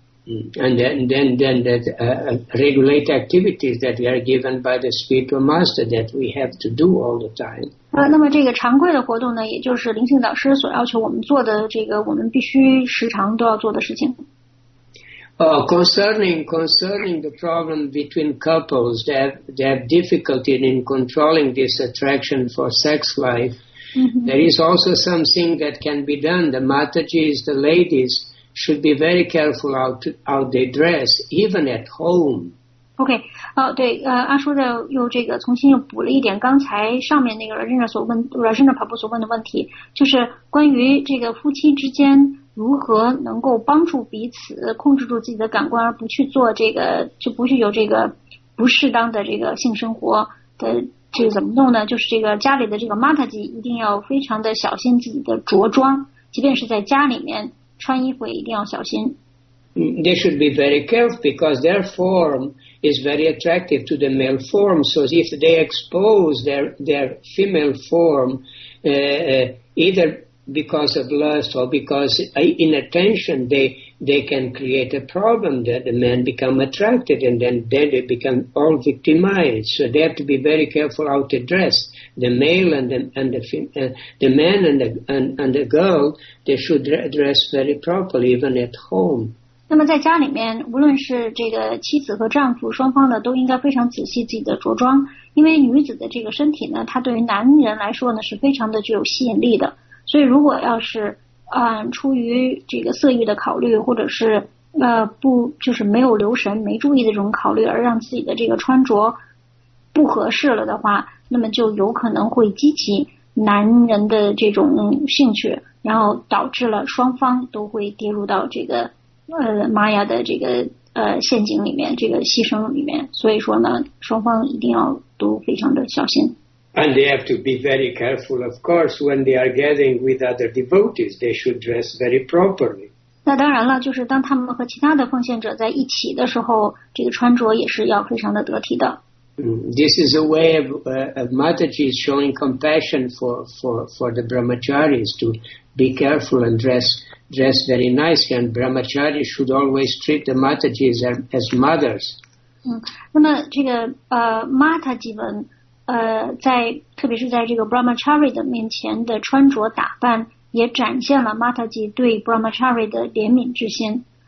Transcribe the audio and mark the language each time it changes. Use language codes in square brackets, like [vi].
[en] And then that regulate activities that we are given by the spiritual master that we have to do all the time. [zh] 那么这个常规的活动呢，也就是灵性导师所要求我们做的这个我们必须时常都要做的事情。 [en] Concerning the problem between couples that have difficulty in controlling this attraction for sex life, there is also something that can be done. The Matajis, the ladies, should be very careful how they dress, even at home. [zh] Okay, 对，阿叔的又这个重新又补了一点刚才上面那个Rajendra Prabhu所问的问题，就是关于这个夫妻之间如何能够帮助彼此控制住自己的感官，而不去做这个，就不去有这个不适当的这个性生活的，这怎么弄呢？就是这个家里的这个 Mataji 一定要非常的小心自己的着装，即便是在家里面穿衣服也一定要小心。 [en] They should be very careful because their form is very attractive to the male form. So if they expose their female form, either because of lust or because inattention, they can create a problem that the men become attracted and then they become all victimized. So they have to be very careful how to dress. The male and the man and the girl, they should dress very properly even at home. [zh] 那么在家里面，无论是这个妻子和丈夫双方呢，都应该非常仔细自己的着装，因为女子的这个身体呢，它对于男人来说呢，是非常的具有吸引力的。所以如果要是出于这个色欲的考虑，或者是不就是没有留神没注意的这种考虑而让自己的这个穿着不合适了的话，那么就有可能会激起男人的这种兴趣，然后导致了双方都会跌入到这个Maya 的这个陷阱里面，这个牺牲里面。所以说呢，双方一定要都非常的小心。 [en] And they have to be very careful, of course, when they are gathering with other devotees, they should dress very properly. [zh] 那当然了，就是当他们和其他的奉献者在一起的时候，这个穿着也是要非常的得体的。 [en] This is a way of Mataji showing compassion for the brahmacharis to be careful and dress very nicely, and brahmachari should always treat the Mataji as mothers. [zh] 那么这个Mataji们在特别是在这个 brahmachari 的面前的穿着打扮也展现了 Mataji 对 brahmachari 的怜悯之心。